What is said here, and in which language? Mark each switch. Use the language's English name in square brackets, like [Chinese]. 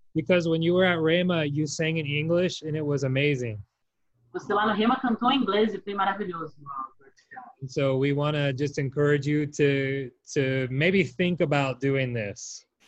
[English] Because when you were at Rema, you sang in English and it was amazing. [Portuguese] Você lá no Rema cantou em inglês e foi maravilhoso. [English] So we want to just encourage you to maybe think about doing this.